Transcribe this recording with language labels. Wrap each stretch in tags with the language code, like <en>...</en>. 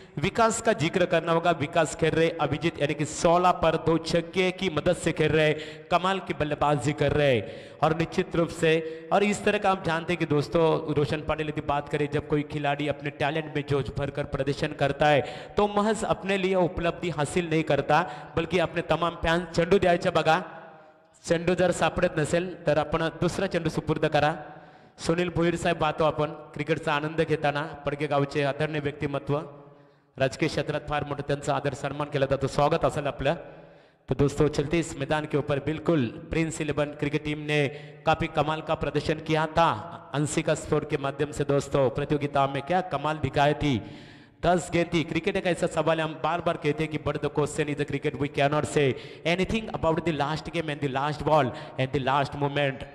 <hi>विकास का जिक्र करना होगा, विकास खेल रहे अभिजीत यानी कि 16 पर 2 छक्के की मदद से खेल रहे, कमाल की बल्लेबाजी कर रहे और निश्चित रूप से, और इस तरह का आप जानते हैं कि दोस्तों रोशन पाटिल की बात करें, जब कोई खिलाड़ी अपने टैलेंट में जोश भर कर प्रदर्शन करता है तो महज अपने लिए उपलब्धि हासिल नहीं करता बल्कि अपने तमाम फैंस।</hi> <mr>चेंडू द्यायचा बघा, चेंडू जर सापडत नसेल तर आपण दुसरा चेंडू सुपूर्द करा। सुनील भोईर साहेब पाहतो आपण क्रिकेटचा आनंद घेताना, पडगे गावचे आदरणीय व्यक्तिमत्व, राजकीय क्षेत्रात फार मोठं त्यांचं आदर सन्मान केला जातो, स्वागत असेल आपलं।</mr> <hi>तो दोस्तों चलते इस मैदान के ऊपर, बिल्कुल प्रिंस इलेवन क्रिकेट टीम ने काफी कमाल का प्रदर्शन किया था अंशिका स्पोर्ट के माध्यम से दोस्तों, प्रतियोगिता में क्या कमाल दिखाई थी, 10 गेंद थी। क्रिकेट एक ऐसा सवाल है, हम बार बार कहते हैं कि</hi> <en>But the question is the cricket, we can not say anything about the last game and the last ball and the last moment.</en>